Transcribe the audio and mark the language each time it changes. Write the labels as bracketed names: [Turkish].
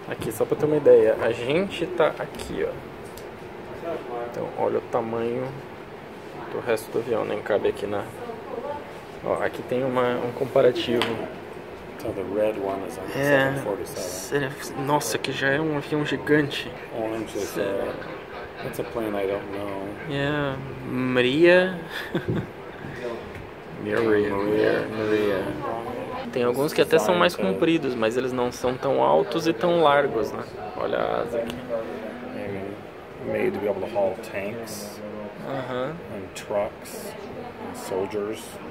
[Portuguese] Só pra ter uma ideia, a gente tá aqui, ó. Então, olha o tamanho do resto do avião, nem cabe aqui na... Ó, aqui tem um comparativo. [English] Então, the red one is on the 747. [Portuguese] Nossa, que já é um avião gigante. [English] Orange is that's a plane I don't know. Yeah, Maria. Maria. [Portuguese] Tem alguns que até são mais compridos, mas eles não são tão altos e tão largos, né? Olha a asa aqui. [English] Made to be able to haul tanks. Uh-huh. And trucks and soldiers.